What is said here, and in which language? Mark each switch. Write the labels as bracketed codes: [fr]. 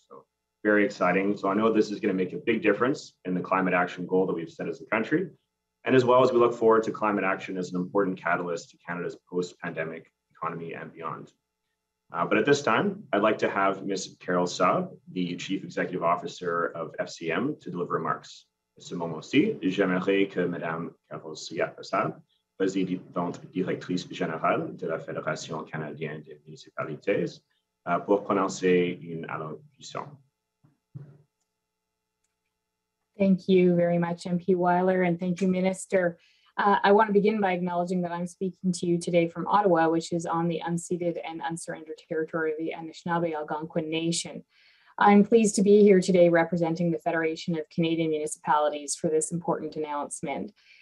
[en] So very exciting. So I know this is going to make a big difference in the climate action goal that we've set as a country, and as well as we look forward to climate action as an important catalyst to Canada's post-pandemic economy and beyond. But at this time, I'd like to have Ms. Carole Saab, the Chief Executive Officer of FCM, to deliver remarks. [fr] À ce moment-ci, j'aimerais que Madame Carole Saab, présidente directrice générale de la Fédération canadienne des municipalités, pour prononcer une allocution. [en] Thank you very much, MP Weiler, and thank you, Minister. I want to begin by acknowledging that I'm speaking to you today from Ottawa, which is on the unceded and unsurrendered territory of the Anishinaabe Algonquin Nation. I'm pleased to be here today representing the Federation of Canadian Municipalities for this important announcement.